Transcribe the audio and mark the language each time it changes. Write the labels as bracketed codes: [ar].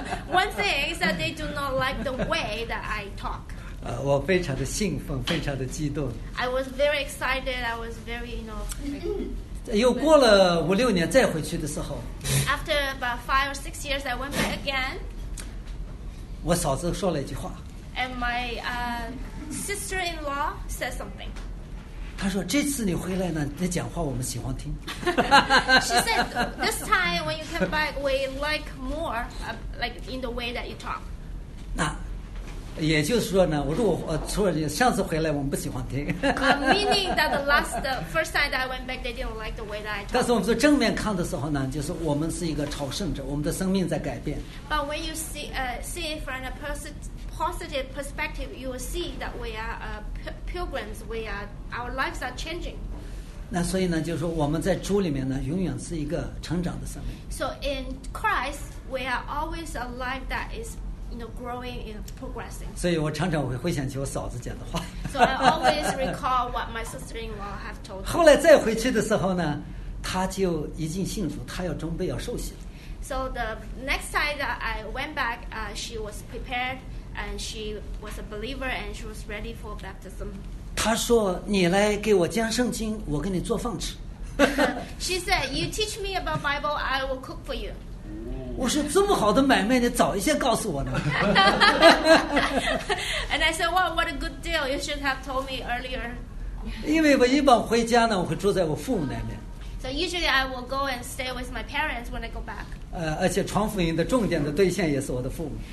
[en] One thing is that they do not like the way that I talk. [zh] 我非常的兴奋，非常的激动。 [en] I was very excited. I was very, you know. [zh] 又过了五六年，再回去的时候。 [en] After about 5 or 6 years, I went back again. [zh] 我嫂子说了一句话。 [en] And my sister-in-law said something. [zh] 他说：“这次你回来呢，你讲话我们喜欢听。 [en] ”She said, "This time when you come back, we like more, like in the way that you talk." [zh] 那也就是说呢，我说我错了，上次回来我们不喜欢听。 [en] meaning that the first time that I went back, they didn't like the way that I talk. [zh] 但是我们说正面看的时候呢，就是我们是一个朝圣者，我们的生命在改变。 [en] But when you see it from a positive perspective, you will see that we are pilgrims. We are our lives are changing. [zh] 那所以呢，就是说我们在主里面呢，永远是一个成长的生命。 [en] So in Christ, we are always a life that is, you know, growing and progressing. [zh] 所以我常常会回想起我嫂子讲的话。 [en] So I always recall what my sister-in-law have told. [zh] 后来再回去的时候呢，他就已经信主，他要准备要受洗。 [en] So the next time that I went back, she was prepared. And she was a believer, and she was ready for baptism. [zh] 她说：“你来给我讲圣经，我给你做饭吃。” [en] She said, "You teach me about Bible, I will cook for you." [zh] 我说：“这么好的买卖，你早一些告诉我呢。” [en] And I said, "Well, what a good deal! You should have told me earlier." [zh] 因为我一般回家呢，我会住在我父母那边。 [en] So usually I will go and stay with my parents when I go back. [zh] 而且传福音的重点的对象也是我的父母。